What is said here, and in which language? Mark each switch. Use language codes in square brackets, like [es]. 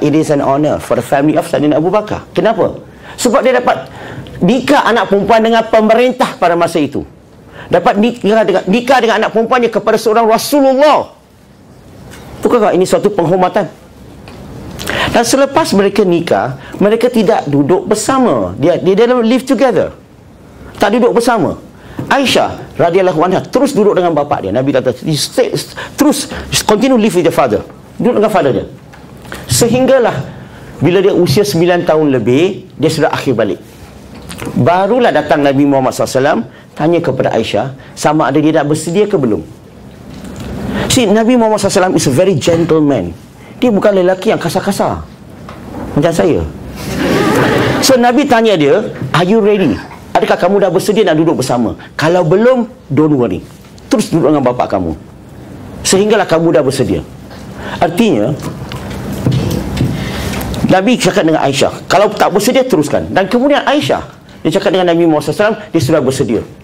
[en] It is an honor for the family of Saidina Abu Bakar. [ms] Kenapa? Sebab dia dapat nikah anak perempuan dengan pemerintah pada masa itu. Dapat nikah dengan anak perempuannya kepada seorang Rasulullah. Bukankah ini suatu penghormatan? Dan selepas mereka nikah, mereka tidak duduk bersama. Dia dalam [en] live together. [ms] Tak duduk bersama. Aisyah radhiyallahu anha terus duduk dengan bapak dia. Nabi kata terus [en] continue live with the father. [ms] Duduk dengan father dia. Sehinggalah bila dia usia 9 tahun lebih, dia sudah akhir balik. Barulah datang Nabi Muhammad SAW tanya kepada Aisyah sama ada dia dah bersedia ke belum. [en] See, Nabi Muhammad SAW is a very gentleman. [ms] Dia bukan lelaki yang kasar-kasar macam saya. [en] So [ms] Nabi tanya dia, [en] are you ready? [ms] Adakah kamu dah bersedia nak duduk bersama? Kalau belum, [en] don't worry. [ms] Terus duduk dengan bapak kamu. Sehinggalah kamu dah bersedia. Artinya, Nabi cakap dengan Aisyah, kalau tak bersedia, teruskan. Dan kemudian Aisyah, dia cakap dengan Nabi Muhammad SAW, dia sudah bersedia.